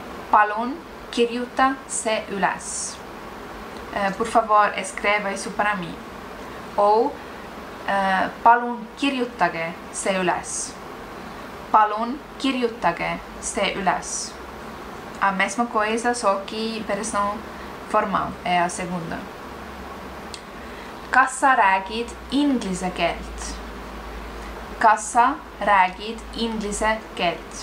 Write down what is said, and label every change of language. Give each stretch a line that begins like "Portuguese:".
Estonian: Palun kirjuta se üles.
Portuguese: Por favor, escreva isso para mim.
Estonian: Ou palun kirjutage se üles.
Portuguese: A mesma coisa, só que versão formal, é a segunda.
Estonian: Kas sa räägid inglise keelt?